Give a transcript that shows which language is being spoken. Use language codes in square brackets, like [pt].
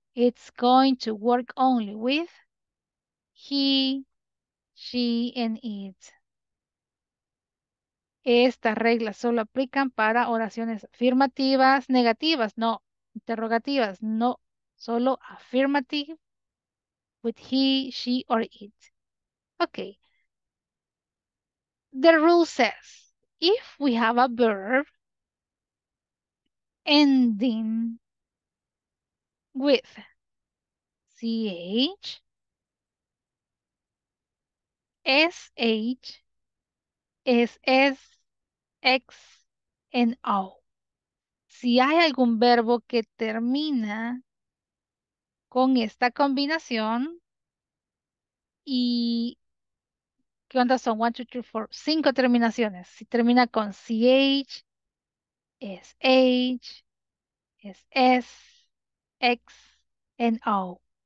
[en] It's going to work only with he, she, and it. [es] Estas reglas solo aplican para oraciones afirmativas, negativas, no. Interrogativas, no, solo [en] affirmative, with he, she, or it. Okay. The rule says, if we have a verb ending with ch, sh, ss, x, and o. [es] Si hay algún verbo que termina con esta combinación y ¿qué onda son? 1, 2, 3, 4, 5 terminaciones. Si termina con CH, SH, SS, X, and O.